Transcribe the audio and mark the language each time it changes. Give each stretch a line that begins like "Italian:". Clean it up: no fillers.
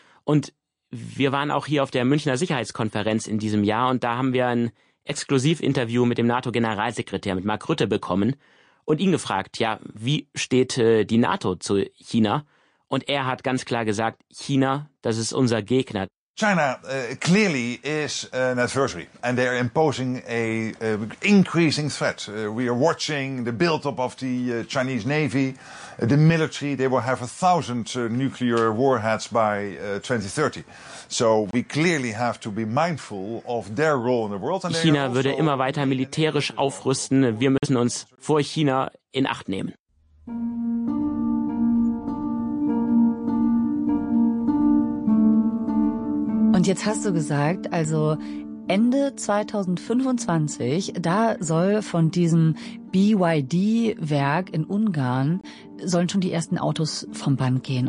German: Und wir waren auch hier auf der Münchner Sicherheitskonferenz in diesem Jahr und da haben wir ein Exklusivinterview mit dem NATO-Generalsekretär, mit Mark Rutte, bekommen und ihn gefragt, ja, wie steht die NATO zu China? Und er hat ganz klar gesagt, China, das ist unser Gegner.
English: China clearly is an adversary and they are imposing an increasing threat. We are watching the build-up of the Chinese Navy, the military. They will have 1,000 nuclear warheads by 2030. So we clearly have to be mindful of their role in the world.
German: And China würde immer weiter militärisch aufrüsten. Wir müssen uns vor China in Acht nehmen. Und jetzt hast du gesagt, also Ende 2025, da soll von diesem BYD-Werk in Ungarn, sollen schon die ersten Autos vom Band gehen.